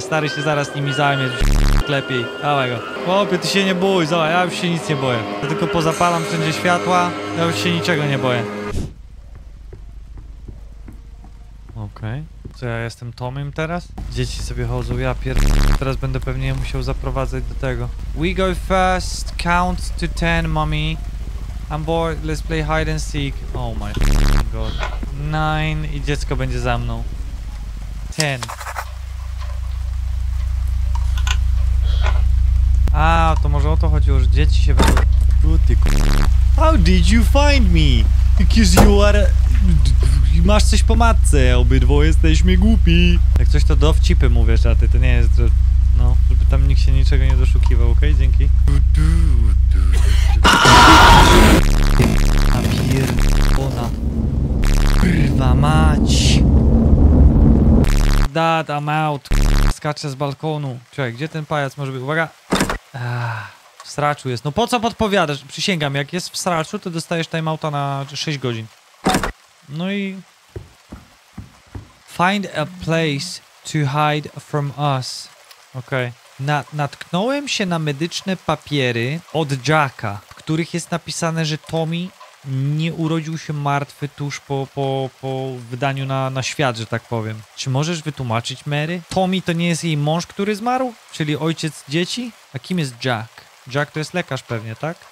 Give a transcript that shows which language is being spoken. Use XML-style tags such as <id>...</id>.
<pl>Stary się zaraz nimi zajmie, lepiej. Dawaj go. Chłopie, ty się nie bój, zobacz, ja już się nic nie boję. Ja tylko pozapalam wszędzie światła, ja już się niczego nie boję. Okej. Okay. Co, ja jestem Tomym teraz? Dzieci sobie chodzą, ja teraz będę pewnie musiał zaprowadzać do tego.</pl> <en>We go first, count to 10, mommy. I'm bored, let's play hide and seek. Oh my god.</en> <pl>9 i dziecko będzie za mną. 10. A, to może o to chodziło, że dzieci się będą... O ty</pl> <en>How did you find me? Because you are...</en> <pl>Masz coś po matce, obydwoje jesteśmy głupi. Jak coś to dowcipy mówisz, a ty to nie jest, że... No, żeby tam nikt się niczego nie doszukiwał, okej? Dzięki. Napierdolona. Kurwa mać.</pl> <en>Dad, I'm out.</en> <pl>Skaczę z balkonu. Czekaj, gdzie ten pajac może być? Uwaga. W sraczu jest. No po co podpowiadasz? Przysięgam, jak jest w sraczu, to dostajesz timeouta na 6 godzin. No i...</pl> <en>Find a place to hide from us. Okej. Okay.</en> <pl>Natknąłem się na medyczne papiery od Jacka, w których jest napisane, że Tommy nie urodził się martwy tuż po wydaniu na świat, że tak powiem. Czy możesz wytłumaczyć, Mary? Tommy to nie jest jej mąż, który zmarł? Czyli ojciec dzieci? A kim jest Jack? Jack to jest lekarz pewnie, tak?</pl>